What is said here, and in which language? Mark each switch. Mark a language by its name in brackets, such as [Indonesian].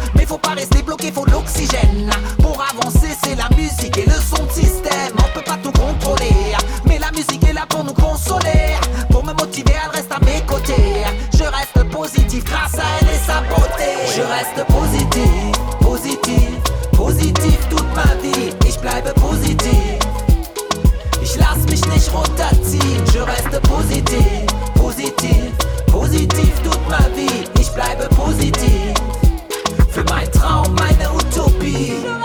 [French] Mais faut pas rester bloqué, faut de l'oxygène. Pour avancer, c'est la musique et le son de système. On peut pas tout contrôler, mais la musique est là pour nous consoler. Pour me motiver, elle reste à mes côtés. Je reste positif grâce à elle et sa beauté. Je reste positif, positif, positif toute ma vie. [German] Ich bleibe positif, ich lasse mich nicht rotativ. [French] Je reste positif, positif, positif toute ma vie. [German] Ich bleibe positif, für mein Traum, meine Utopie.